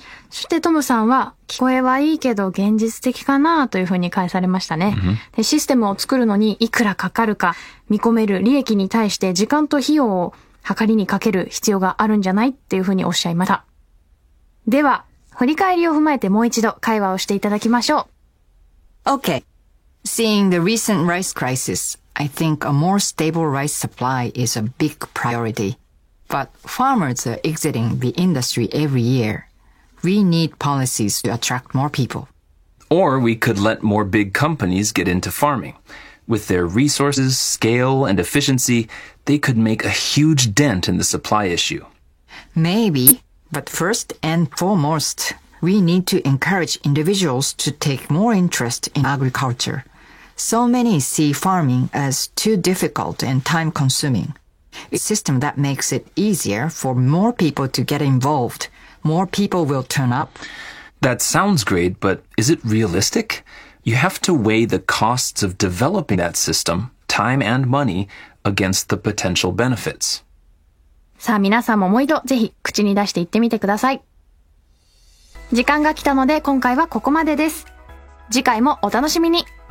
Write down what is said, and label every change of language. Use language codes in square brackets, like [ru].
[ja] そしてトムさんは聞こえはいいけど現実的かなというふうに返されましたね。でシステムを作るのにいくらかかるか見込める利益に対して時間と費用を計りにかける必要があるんじゃないっていうふうにおっしゃいました。では振り返りを踏まえてもう一度会話をしていただきましょう。 [en] Okay. Seeing the recent rice crisisI think a more stable rice supply is a big priority. But farmers are exiting the industry every year. We need policies to attract more people. Or we could let more big companies get into farming. With their resources, scale, and efficiency, they could make a huge dent in the supply issue. Maybe, but first and foremost, we need to encourage individuals to take more interest in agriculture. So many see farming as too difficult and time-consuming. A system that makes it easier for more people to get involved, more people will turn up. That sounds great, but is it realistic? You have to weigh the costs of developing that system, time and money, against the potential benefits. [ja] さあ、皆さんももう一度ぜひ口に出して言ってみてください。時間が来たので今回はここまでです。次回もお楽しみに。